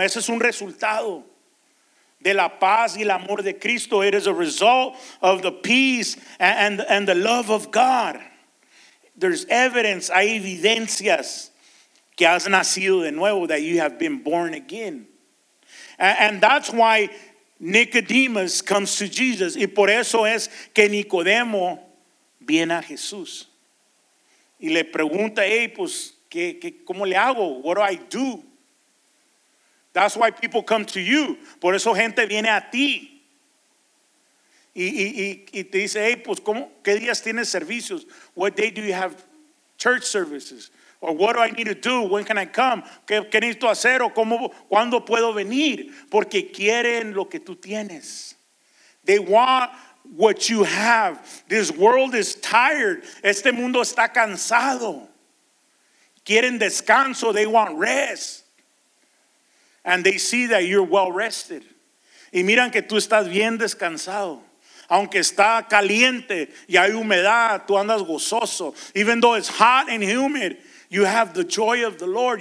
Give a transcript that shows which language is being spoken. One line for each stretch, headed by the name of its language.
Spanish: Ese es un resultado de la paz y el amor de Cristo.
English: It is a result of the peace and the love of God. There's evidence,
Spanish: hay evidencias que has nacido de nuevo,
English: that you have been born again. And that's why Nicodemus comes to Jesus.
Spanish: Y por eso es que Nicodemo viene a Jesús. Y le pregunta, hey, pues, ¿cómo le hago?
English: What do I do? That's why people come to you.
Spanish: Por eso gente viene a ti. Y te dice, hey, pues, ¿qué días tienes servicios?
English: What day do you have church services? Or what do I need to do? When can I come?
Spanish: ¿Qué necesito hacer? ¿O cuándo puedo venir? Porque quieren lo que tú tienes.
English: They want what you have. This world is tired.
Spanish: Este mundo está cansado. Quieren descanso.
English: They want rest. And they see that you're well rested.
Spanish: Y miran que tú estás bien descansado. Aunque está caliente y hay humedad, tú andas gozoso.
English: Even though it's hot and humid, you have the joy of the Lord.